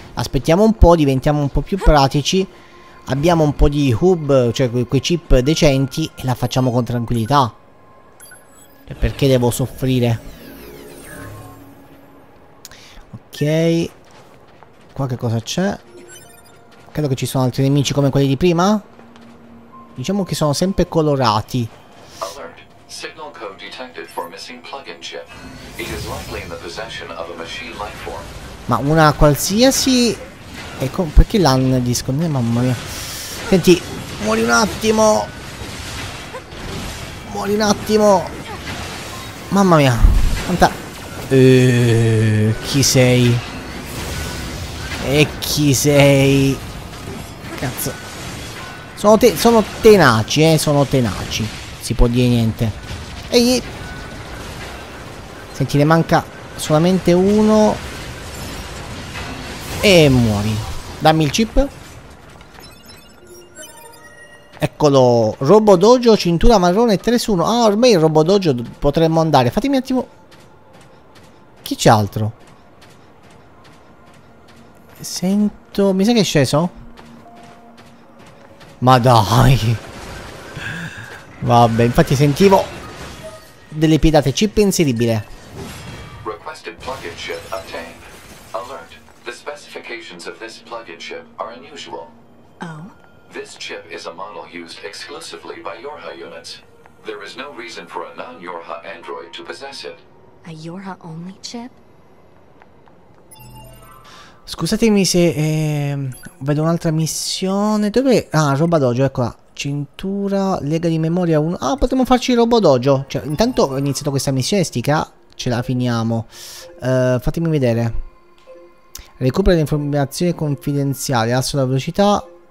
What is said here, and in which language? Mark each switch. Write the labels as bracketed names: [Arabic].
[Italian] Aspettiamo un po', diventiamo un po' più pratici. Abbiamo un po' di hub, cioè quei chip decenti, e la facciamo con tranquillità. E perché devo soffrire? Ok. Qua che cosa c'è? Credo che ci sono altri nemici come quelli di prima. Diciamo che sono sempre colorati. [English] Alert. Signal code detected for missing plug-in chip. It is likely in the possession of a machine life form. [Italian] Ma una qualsiasi... Ecco, perché l'hanno disconnesso? Mamma mia. Senti, muori un attimo. Muori un attimo. Mamma mia. Quanta... chi sei? E chi sei? Cazzo. Sono tenaci. Si può dire niente. Ehi. Senti, ne manca solamente uno. E muori. Dammi il chip. Eccolo, Robo Dojo, cintura marrone 3-1. Ah, ormai il Robo Dojo potremmo andare. Fatemi un attimo. Chi c'è altro? Sento. Mi sa che è sceso? Ma dai. Vabbè, infatti sentivo delle piedate. Chip inseribile. [English] Requested plug-in chip obtained. Alert. The specifications of this plug-in chip are unusual. Oh. This chip is a model used exclusively by Yorha units. There is no reason for a non-Yorha android to possess it. A Yorha only chip? [Italian] Scusatemi se vedo un'altra missione. Dove? Ah, Robo Dojo, eccola. Cintura, lega di memoria 1. Ah, potremmo farci Robo Dojo. Cioè, intanto ho iniziato questa missione estica. Ce la finiamo. Fatemi vedere. Recupera le informazioni confidenziali. Alza la velocità.